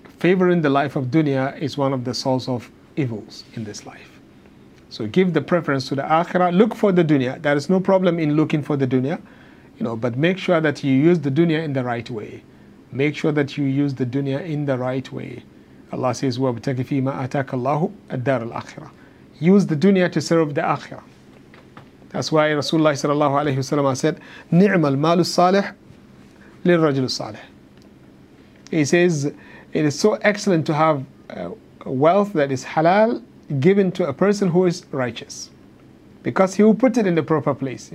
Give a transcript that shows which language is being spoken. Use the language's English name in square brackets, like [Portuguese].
[English] Favoring the life of dunya is one of the source of evils in this life. So give the preference to the akhirah. Look for the dunya. There is no problem in looking for the dunya, you know, but make sure that you use the dunya in the right way. Make sure that you use the dunya in the right way. Allah says, [Arabic] وَبْتَكِ فِي مَا أَتَاكَ اللَّهُ الدَّارَ الْآخِرَةِ. [English] Use the dunya to serve the akhirah. That's why Rasulullah sallallahu alayhi wa sallam said, [Arabic] نِعْمَ الْمَالُ الصَّالِحِ لِلْرَجُلُ الصَّالِحِ. [English] He says, it is so excellent to have wealth that is halal, given to a person who is righteous, because he will put it in the proper place.